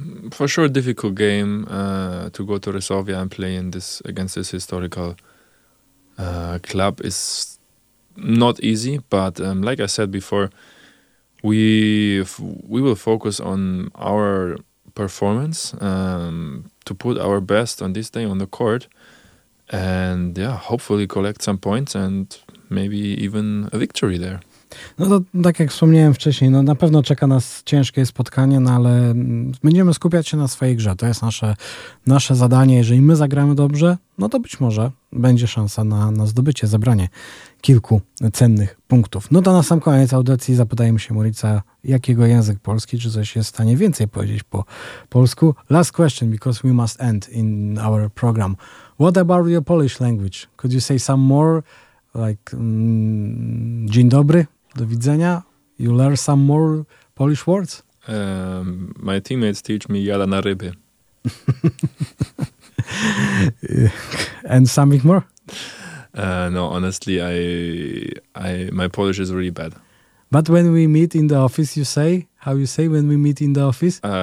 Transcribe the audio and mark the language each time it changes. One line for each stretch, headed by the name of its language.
English: For sure a difficult game to go to Resovia and play in this against this historical club is not easy, but like I said before, we will focus on our performance to put our best on this day on the court, and yeah, hopefully collect some points and maybe even a victory there.
Polish: No to tak jak wspomniałem wcześniej, no na pewno czeka nas ciężkie spotkanie, no ale będziemy skupiać się na swojej grze. To jest nasze zadanie. Jeżeli my zagramy dobrze, no to być może będzie szansa na zdobycie, zebranie kilku cennych punktów. No to na sam koniec audycji zapytajmy się Moritza, jakiego język polski, czy coś jest w stanie więcej powiedzieć po polsku.
English: Last question, because we must end in our program. What about your Polish language? Could you say some more?
Polish: Like, dzień dobry, do widzenia.
English: You learn some more Polish words? My teammates teach me
Polish: jada na ryby.
English: And something more? No, honestly, I my Polish is really bad. But when we meet in the office, you say, how you say when we meet in the office?